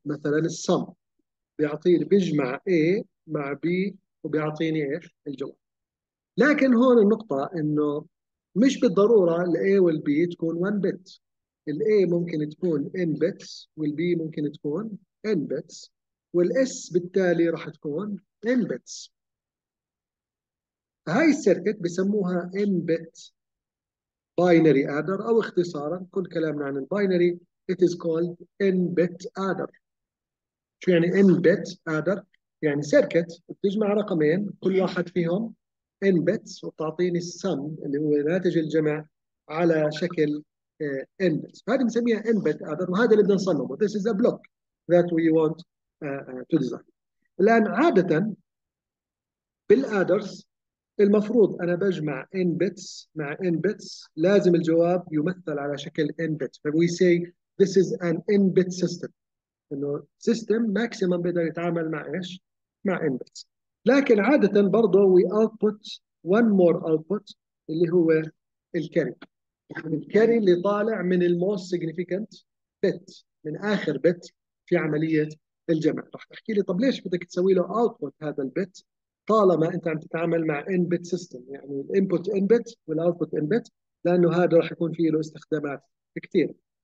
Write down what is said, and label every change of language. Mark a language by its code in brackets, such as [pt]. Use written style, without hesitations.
[ar] مثلا السم بيعطيني، بيجمع A مع B وبيعطيني ايش الجواب. لكن هون النقطة انه مش بالضرورة الـ A والـ B تكون 1 bit. الـ A ممكن تكون n bits والـ B ممكن تكون n bits، والـ S بالتالي راح تكون n bits. هاي السيركت بسموها n bit binary adder، او اختصارا كل كلامنا عن الباينري [en] it is called n bit adder. [ar] شو يعني n bit adder؟ يعني سيركت بتجمع رقمين كل واحد فيهم n bits وتعطيني السم اللي هو ناتج الجمع على شكل n bits. هذه بنسميها n bit adder، وهذا اللي بدنا نصممه. [en] This is a block that we want to design. [ar] الآن عادة بالادرز المفروض أنا بجمع n bits مع n bits، لازم الجواب يمثل على شكل n bit. [en] We say this is an n bit system، [ar] إنه [en] system maximum [ar] بيقدر يتعامل مع إيش؟ مع [en] n bits. [ar] لكن عادة برضه [en] we output one more output [ar] اللي هو الكاري. الكاري اللي طالع من الموست سيجنيفيكانت بت، من اخر بت في عملية الجمع. رح تحكي لي طب ليش بدك تسوي له output هذا البت طالما انت عم تتعامل مع ان بت سيستم، يعني الانبوت ان بت والاوتبوت ان بت، لانه هذا رح يكون فيه له استخدامات كثير.